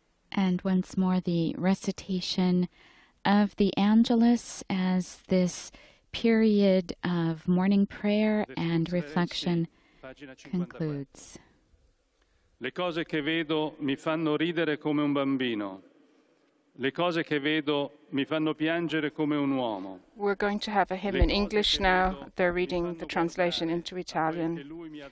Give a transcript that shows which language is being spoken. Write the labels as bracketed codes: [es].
[en] And once more, the recitation of the Angelus as this period of morning prayer and reflection concludes. [it] Le cose che vedo mi fanno ridere come un bambino. Le cose che vedo mi fanno piangere come un uomo. [en] We're going to have a hymn in English now. They're reading the translation into Italian.